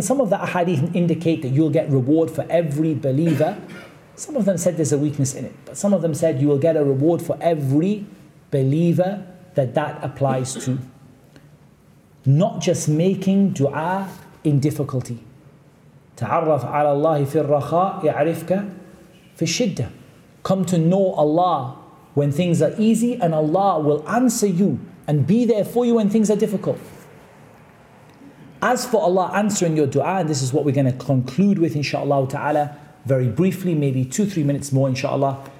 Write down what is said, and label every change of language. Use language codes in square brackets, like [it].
[en] And some of the ahadith indicate that you'll get reward for every believer. Some of them said there's a weakness in it, but some of them said you will get a reward for every believer that applies to. Not just making dua in difficulty. [ar] تعرف على الله في الرخاء يعرفك في الشدة. [en] Come to know Allah when things are easy, and Allah will answer you and be there for you when things are difficult. As for Allah answering your dua, and this is what we're going to conclude with inshallah ta'ala, very briefly, maybe 2-3 minutes more inshallah.